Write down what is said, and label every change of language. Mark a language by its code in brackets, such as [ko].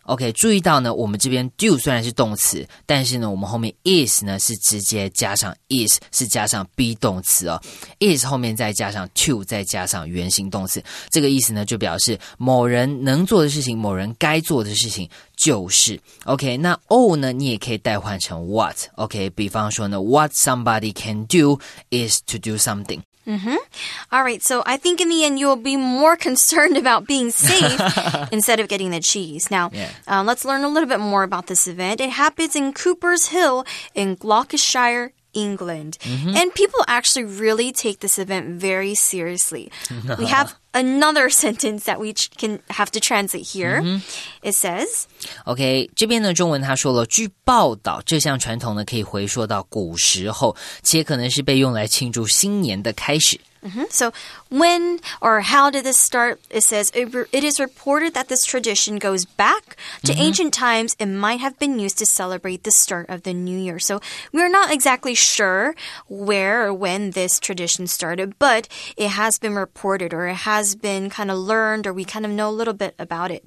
[zh] OK, 注意到呢，我们这边 do 虽然是动词，但是呢，我们后面 is 呢是直接加上 is, 是加上 be 动词哦。 is 后面再加上 to, 再加上原形动词。这个意思呢，就表示某人能做的事情，某人该做的事情就是。 OK, 那 all 呢，你也可以代换成 what. [en] OK, [zh] 比方说呢 [en] ,what somebody can do is to do something. All right, so I think in the end you'll be more concerned about being safe instead of getting the cheese. Now, let's learn a little bit more about this event. It happens in Cooper's Hill in Gloucestershire, England. And people actually really take this event very seriously. We have another sentence that we can have to translate here. It says... [zh] OK, 这边的中文他说了，据报道，这项传统呢可以回溯到古时候，且可能是被用来庆祝新年的开始。 [en] So when or how did this start? It says it is reported that this tradition goes back to ancient times and might have been used to celebrate the start of the new year. So we're not exactly sure where or when this tradition started, but it has been reported or it has been kind of learned or we kind of know a little bit about it.